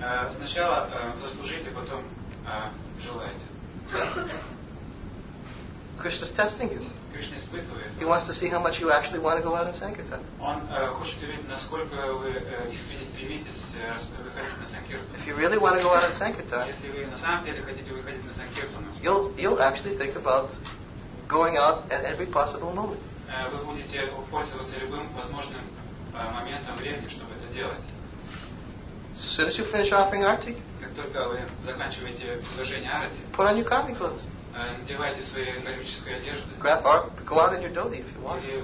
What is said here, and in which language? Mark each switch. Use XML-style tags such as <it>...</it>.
<ru>Сначала заслужите, потом желайте.</ru> <en>Krishna's testing you.</en> <ru>Krishna испытывает.</ru> <en>He wants to see how much you actually want to go out in Sankirtan.</en> <ru>Он хочет увидеть, насколько вы искренне стремитесь выходить на Sankirtan.</ru> <en>If you really want to go out in Sankirtan,</en> <ru>если вы на самом деле хотите выходить на Sankirtan,</ru> <en>you'll actually think about going out at every possible moment.</en> <ru>Вы будете пользоваться любым возможным моментом времени, чтобы это делать.</ru> <en>As soon as you finish offering arati,</en> <ru>как только вы заканчиваете предложение арати,</ru> <en>put on your karmic clothes.</en> <ru>Надевайте свои кармические одежды.</ru> <en>Grab art, go out in your dhoti if you want.</en>